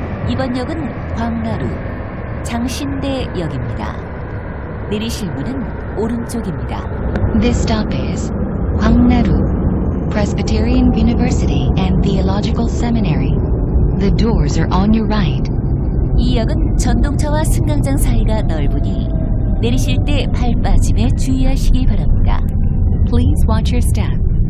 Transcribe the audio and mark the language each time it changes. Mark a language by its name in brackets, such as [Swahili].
[Korean] 이번 역은 광나루, 장신대역입니다. 내리실 문은 오른쪽입니다. [English] This stop is 광나루, Presbyterian University and Theological Seminary. The doors are on your right. [Korean] 이 역은 전동차와 승강장 사이가 넓으니 내리실 때 발 빠짐에 주의하시기 바랍니다. [English] Please watch your step.